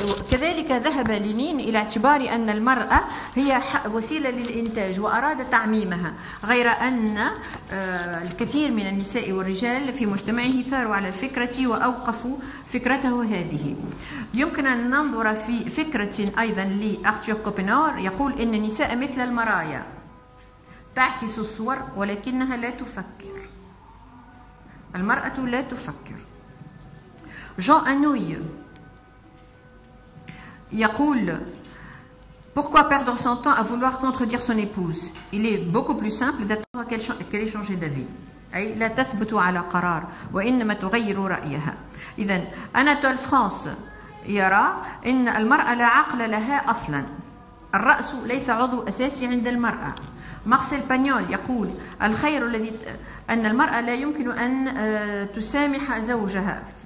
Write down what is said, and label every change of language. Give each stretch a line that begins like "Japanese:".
Arabic: كذلك ذهب لينين إلى اعتبار أن المرأة هي وسيلة للإنتاج وأراد تعميمها، غير أن الكثير من النساء والرجال في مجتمعه ثاروا على الفكرة وأوقفوا فكرته هذه. يمكن أن ننظر في فكرة أيضا لأرتور كوبينور يقول إن النساء مثل المرايا تعكس الصور ولكنها لا تفكر. المرأة لا تفكر. جون أنوي يقول
French: pourquoi perdre son temps à vouloir contredire son épouse? Il est beaucoup plus simple d'attendre qu'elle change d'avis.
Arabic: أي لا تثبت على قرار وإنما تغير رأيها. إذن أناتول فرانس يرى إن المرأة لا عقل لها أصلا. الرأس ليس عضو أساسي عند المرأة. مارسيل بانيول يقول الخير الذي أن المرأة لا يمكن أن تسامح زوجها.